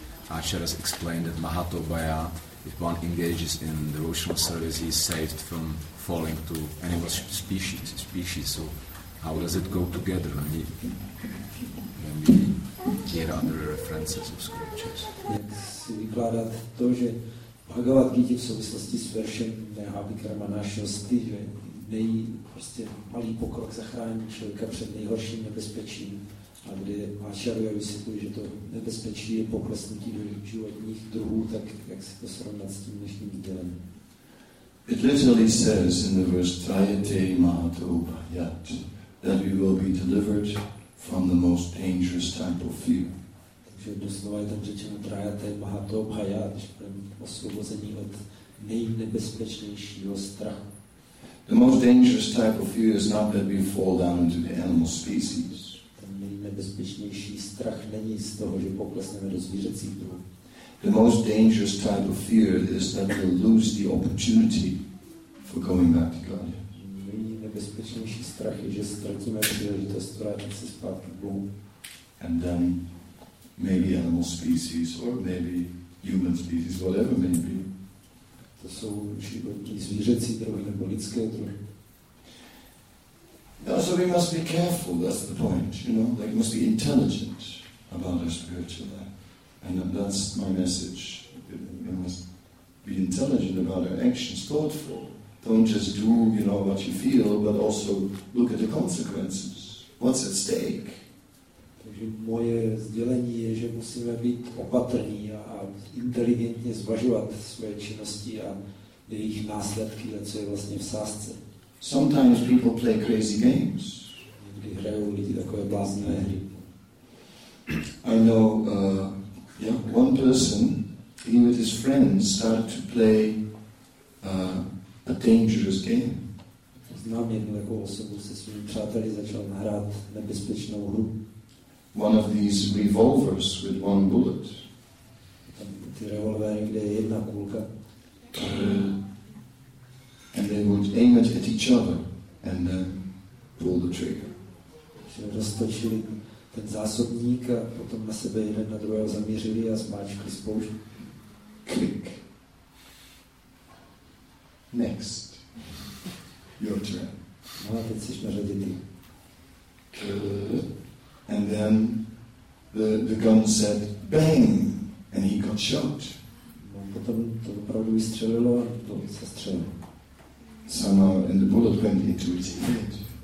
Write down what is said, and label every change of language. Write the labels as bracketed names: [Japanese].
[English] Acharyas explained that Mahatobaya, if one engages in devotional service, he is saved from falling to animal species. So how does it go together when we get other references of scriptures? [Czech] Jak si vykládat to, že Bhagavad Gita v souvislosti s veršem Neha Bikrama Nashosti, že nejí prostě malý pokrok zachrání člověka před nejhorším nebezpečím, a kde Acharya vysvětluje, že to nebezpečí je poklesnutí do životních druhů, tak jak si to srovnat s tím dnešním dílem? [English] It literally says in the verse Trayate Mahatobhayat that we will be delivered from the most dangerous type of fear. [Czech] Takže doslova je tam řečeno Trayate Mahatobhayat, že budeme osvobození od nejnebezpečnějšího strachu. [English] The most dangerous type of fear is not that we fall down into the animal species. [Czech] Ten nejnebezpečnější strach není z toho, že poklesneme do zvířecích druhů. [English] The most dangerous type of fear is that we lose the opportunity for going back to Godhead. [Czech] Nejnebezpečnější strach je, že ztratíme příležitost vrátit se zpátky k Bohu. [English] And then maybe animal species or maybe human species, whatever may be. [Czech] To jsou životní zvířecí druhy nebo lidské druhy. [English] Yeah, so we must be careful, that's the point, you know, like we must be intelligent about our spiritual life. And that's my message. You must be intelligent about your actions, thoughtful. Don't just do, you know, what you feel, but also look at the consequences. What's at stake? [Czech] Takže moje sdělení je, že musíme být opatrní a inteligentně zvažovat své činnosti a jejich následky, co je vlastně v sázce. [English] Sometimes people play crazy games. [Czech] Někdy hrajou lidi takové bláznivé hry. [English] I know. Yeah, one person, he with his friends started to play a dangerous game. [Czech] Znám jednu takovou osobu, se svými přáteli začal hrát nebezpečnou hru. [English] One of these revolvers with one bullet. [Czech] Ty revolvery, kde je jedna kulka. [English] And they would aim it at each other and then pull the trigger. [Czech] Roztočili ten zásobník a potom na sebe jeden na druhého zaměřili a zmáčkli spoušť. Klik. [English] Next. Your turn. [Czech] No a teď jsi na řadě ty. [English] And then the gun said bang and he got shot. [Czech] No potom to opravdu vystřelilo a to se střelilo. [English] Somehow and the bullet went into his head.